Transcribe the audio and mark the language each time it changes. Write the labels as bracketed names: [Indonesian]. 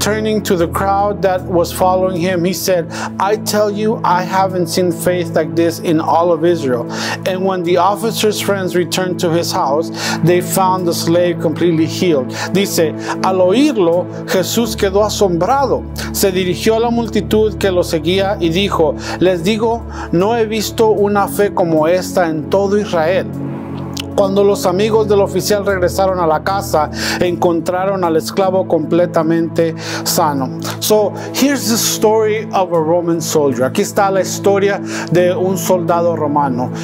[English] Turning to the crowd that was following him, he said, I tell you, I haven't seen faith like this in all of Israel. And when the officer's friends returned to his house, they found the slave completely healed. [Spanish] Dice, al oírlo, Jesús quedó asombrado. Se dirigió a la multitud que lo seguía y dijo, les digo, no he visto una fe como esta en todo Israel. Cuando los amigos del oficial regresaron a la casa, encontraron al esclavo completamente sano. [English] So, here's the story of a Roman soldier. [Spanish] Aquí está la historia de un soldado romano.